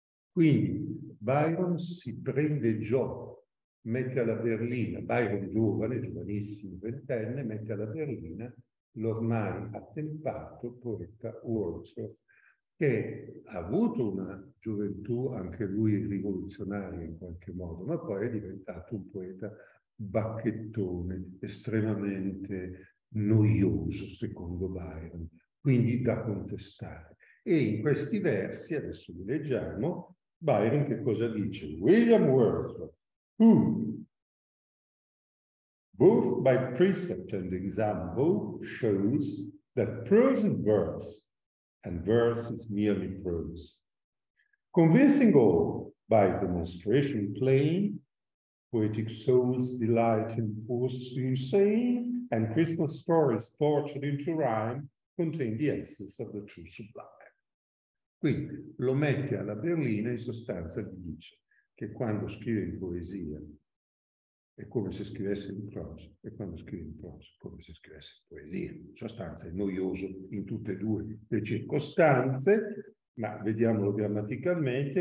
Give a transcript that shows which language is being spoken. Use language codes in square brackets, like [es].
[it] Quindi Byron si prende gioco, mette alla berlina, Byron giovane, giovanissimo, ventenne, mette alla berlina l'ormai attempato poeta Wordsworth, che ha avuto una gioventù anche lui rivoluzionaria in qualche modo, ma poi è diventato un poeta bacchettone, estremamente noioso, secondo Byron, quindi da contestare. E in questi versi, adesso li leggiamo, Byron che cosa dice? [en] William Wordsworth, who, both by precept and example, shows that prose and verse and verse is merely prose. Convincing all by demonstration plain, poetic souls delight in poesy saying, and Christmas stories tortured into rhyme contain the essence of the true sublime. [it] Quindi lo mette alla berlina e in sostanza gli dice che quando scrive in poesia è come se scrivesse in prosa, e quando scrive in prosa è come se scrivesse in poesia. In sostanza è noioso in tutte e due le circostanze, ma vediamolo grammaticalmente.